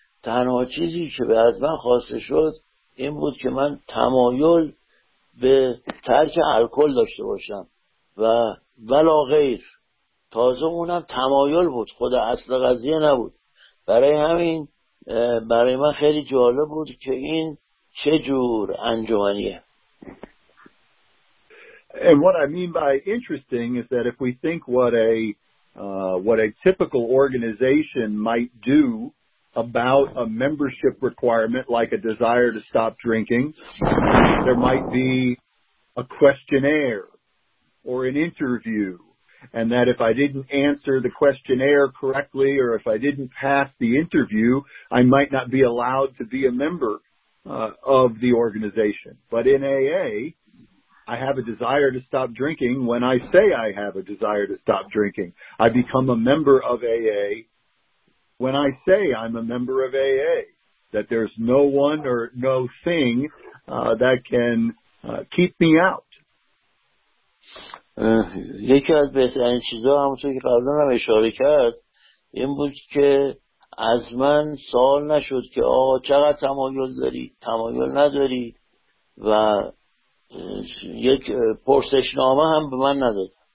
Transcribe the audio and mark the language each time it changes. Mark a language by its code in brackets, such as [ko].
[fa] تنها چیزی که از من خواسته شد این بود که من تمایل به ترک الکل داشته باشم و ولا غیر. تازه اونم تمایل بود، خود اصل قضیه نبود. برای همین برای من خیلی جالب بود که این چه جور انجمنیه. [en] And what I mean by interesting is that if we think what a typical organization might do about a membership requirement like a desire to stop drinking, there might be a questionnaire or an interview, and that if I didn't answer the questionnaire correctly or if I didn't pass the interview, I might not be allowed to be a member of the organization. But in AA, I have a desire to stop drinking. When I say I have a desire to stop drinking, I become a member of AA. When I say I'm a member of AA, that there's no one or no thing that can keep me out. [fa] یکی از بهترین چیزها همونطور که قبلا هم اشاره کرد این بود که از من سوال نشد که آقا چقدر تمایل داری تمایل نداری و یک پرسشنامه هم به من نداد.